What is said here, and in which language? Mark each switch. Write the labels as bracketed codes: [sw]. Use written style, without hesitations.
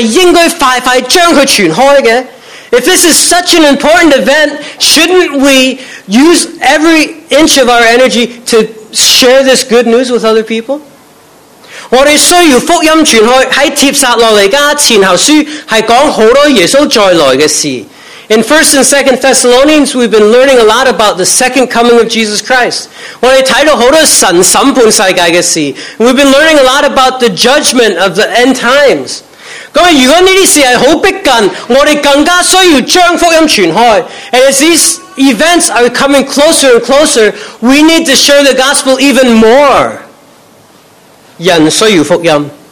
[en] If this is such an important event, shouldn't we use every inch of our energy to share this good news with other people? [zh] 我们需要福音传开，在帖撒罗尼迦前后书是讲好多耶稣再来的事。 [en] In 1st and 2nd Thessalonians, we've been learning a lot about the second coming of Jesus Christ. We've been learning a lot about the judgment of the end times. And as these events are coming closer and closer, we need to share the gospel even more.